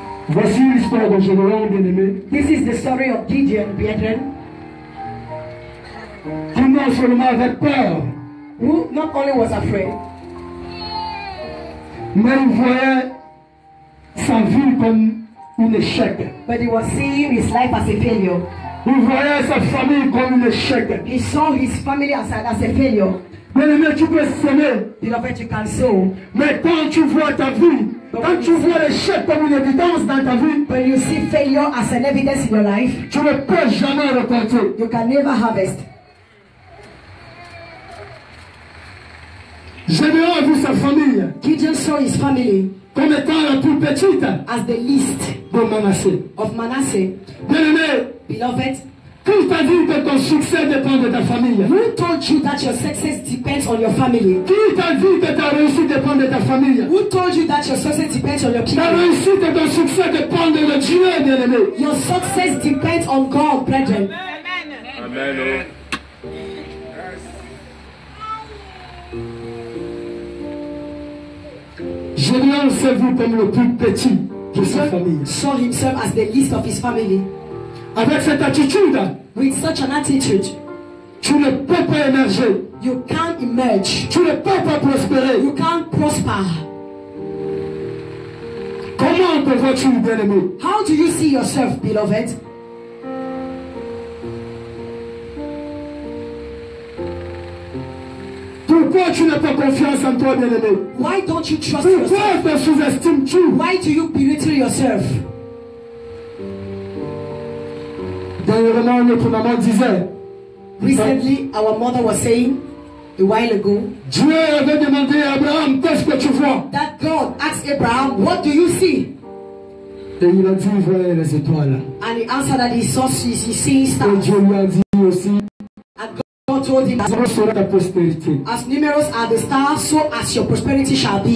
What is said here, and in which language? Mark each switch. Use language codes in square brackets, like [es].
[fr] Voici l'histoire de Gédéon, bien-aimé. [en] This is the story of Gideon, brethren. [fr] Qui non seulement avait peur. [en] Who not only was afraid. [fr] Mais il voyait sa vie comme un échec. [en] But he was seeing his life as a failure. [fr] Il voyait sa famille comme un échec. [en] He saw his family as a failure. [fr] Bien-aimé, tu peux s'aimer. [en] Beloved, you can sow. [fr] Mais quand tu vois ta vie, quand tu vois l'échec comme une évidence dans ta vie, [en] when you see failure as an evidence in your life, [fr] tu ne peux jamais récolter. [en] You can never harvest. [fr] Gédéon a vu sa famille. [en] Gideon saw his family. [fr] Comme étant la plus petite. [en] As the least. [fr] De Manassé. [en] Of Manasseh. [fr] Bien-aimé. [en] Beloved. [fr] Qui t'a dit que ton succès dépend de ta famille? [en] Who told you that your success depends on your family? [fr] Qui t'a dit que ta réussite dépend de ta famille? [en] Who told you that your success depends on your people? [fr] Ta réussite et ton succès dépend de Dieu, bien-aimé. [en] Your success depends on God, brethren. [fr] Amen. Amen. [en] Yes. [fr] Gédéon s'est vu comme le plus petit de sa famille. [en] Saw himself as the least of his family. [fr] Avec cette attitude, [en] with such an attitude, [fr] tu ne peux pas émerger. [en] You can't emerge. [fr] Tu ne peux pas prospérer. [en] You can't prosper. [fr] Comment te vois-tu, bien-aimé? [en] How do you see yourself, beloved? [fr] Pourquoi tu n'as pas confiance en toi, bien-aimé? [en] Why don't you trust [fr] Pourquoi [en] yourself? [fr] Te sous-estimes-tu? [en] Why do you belittle yourself? [fr] Dernièrement, notre maman disait. [en] Recently, our mother was saying, a while ago, [fr] Dieu avait demandé à Abraham, qu'est-ce que tu vois? [en] That God asked Abraham, what do you see? [fr] Et il a dit, il voyait les étoiles. [en] And he answered that he saw, he seeing stars. [fr] Et Dieu lui a dit aussi, [en] and God told him, as numerous are the stars, so as your prosperity shall be.